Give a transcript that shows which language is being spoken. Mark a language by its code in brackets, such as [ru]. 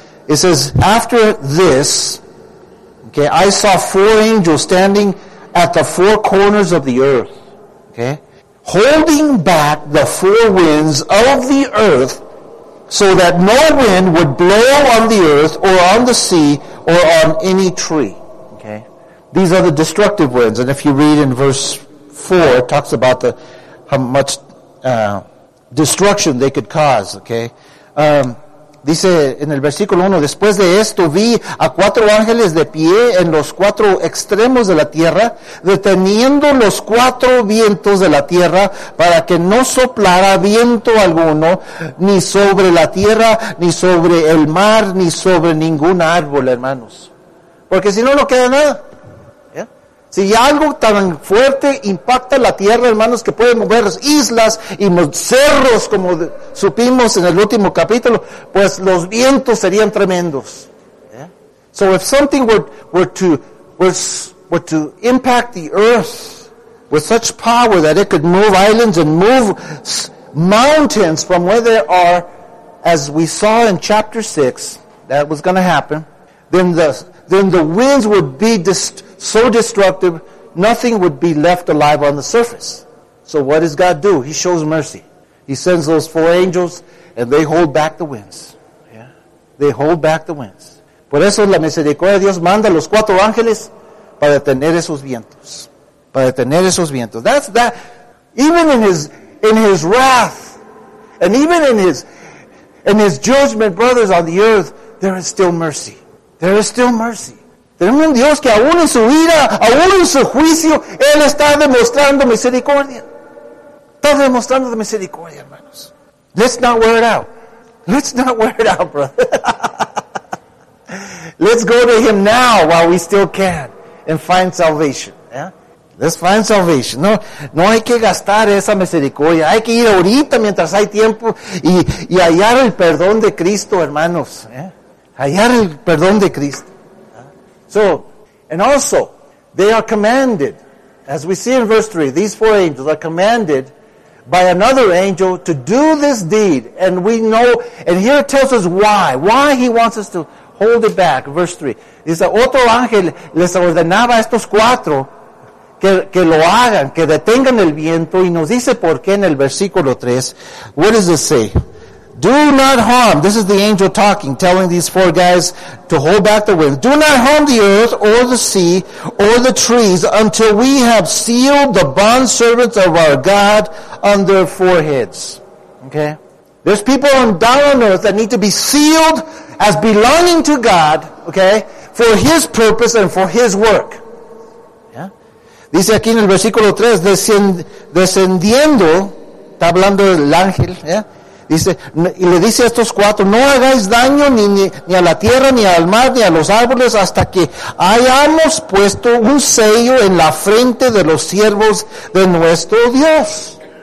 [en] It says, after this, okay, I saw four angels standing at the four corners of the earth, okay, holding back the four winds of the earth so that no wind would blow on the earth or on the sea or on any tree. Okay, these are the destructive winds. And if you read in verse 4, it talks about how much... destruction they could cause, okay? [es] Dice en el versículo 1, después de esto vi a cuatro ángeles de pie en los cuatro extremos de la tierra, deteniendo los cuatro vientos de la tierra para que no soplara viento alguno, ni sobre la tierra, ni sobre el mar, ni sobre ningún árbol, hermanos. Porque si no, no queda nada. Si algo tan fuerte impacta la tierra, hermanos, que puede mover islas y cerros, como supimos en el último capítulo, pues los vientos serían tremendos. [en] Yeah. So if something were to impact the earth with such power that it could move islands and move mountains from where they are, as we saw in chapter 6, that was going to happen, then the winds would be destroyed. So destructive, nothing would be left alive on the surface. So what does God do? He shows mercy. He sends those four angels, and they hold back the winds. Yeah. They hold back the winds. [es] Por eso la misericordia de Dios manda a los cuatro ángeles para detener esos vientos. Para detener esos vientos. [en] That's that. Even in his wrath, and even in his judgment, brothers, on the earth, there is still mercy. There is still mercy. [es] Tenemos un Dios que aún en su ira, aún en su juicio, Él está demostrando misericordia. Está demostrando de misericordia, hermanos. [en] Let's not wear it out. Let's not wear it out, brother. Let's go to Him now while we still can and find salvation. Yeah? Let's find salvation. [es] No, no hay que gastar esa misericordia. Hay que ir ahorita mientras hay tiempo y hallar el perdón de Cristo, hermanos. Yeah? Hallar el perdón de Cristo. [en] So, and also, they are commanded, as we see in verse 3, these four angels are commanded by another angel to do this deed. And we know, and here it tells us why he wants us to hold it back, verse 3. [es] Dice, otro ángel les ordenaba a estos cuatro, que lo hagan, que detengan el viento, y nos dice por qué en el versículo 3. [en] What does it say? Do not harm. This is the angel talking, telling these four guys to hold back the wind. Do not harm the earth or the sea or the trees until we have sealed the bondservants of our God on their foreheads. Okay? There's people on down on earth that need to be sealed as belonging to God, okay, for His purpose and for His work. Yeah? [es] Dice aquí en el versículo 3, descendiendo, está hablando el ángel, yeah? Dice, y le dice a estos cuatro, no hagáis daño ni a la tierra, ni al mar, ni a los árboles, hasta que hayamos puesto un sello en la frente de los siervos de nuestro Dios.